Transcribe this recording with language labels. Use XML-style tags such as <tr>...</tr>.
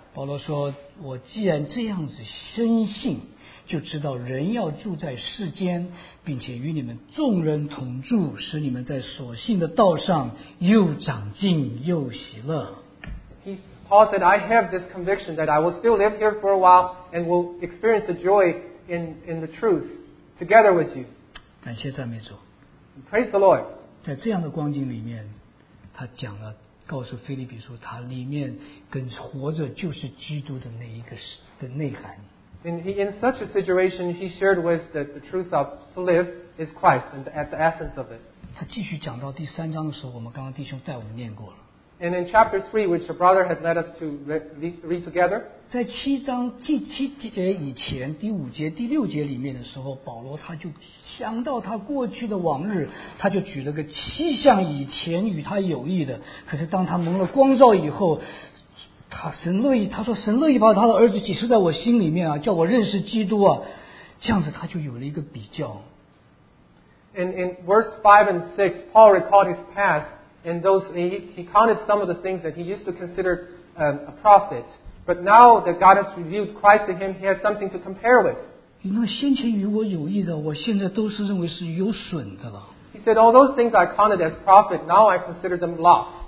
<zh>保罗说：“我既然这样子深信。” 就知道人要住在世间，并且与你们众人同住，使你们在所信的道上又长进又喜乐。</zh> <en>Paul said, "I have this conviction that I will still live here for a while and will experience the joy in the truth together with you."</en> <zh>感谢赞美主。</zh> <en>Praise the Lord.</en> <zh>在这样的光景里面，他讲了，告诉腓立比说，他里面跟活着就是基督的那一个的内涵。</zh> <en>In such a situation, he shared with that the truth of to live is Christ and at the essence of it.</en> <zh>他继续讲到第三章的时候，我们刚刚弟兄带我们念过了。</zh> <en>And in chapter 3, which the brother had led us to read together.</en> <zh>在七章第七节以前，第五节、第六节里面的时候，保罗他就想到他过去的往日，他就举了个七项以前与他有益的。可是当他蒙了光照以后。他说神乐意把他的儿子启示在我心里面啊，叫我认识基督啊，这样子他就有了一个比较。</zh> <en>In verse 5 and 6, Paul recalled his past, and those he counted some of the things that he used to consider a prophet. But now that God has revealed Christ to him, he has something to compare with.</en> <zh>那先前与我有益的，我现在都是认为是有损的了。</zh> <en>He said, "All those things I counted as profit, now I consider them loss."</en>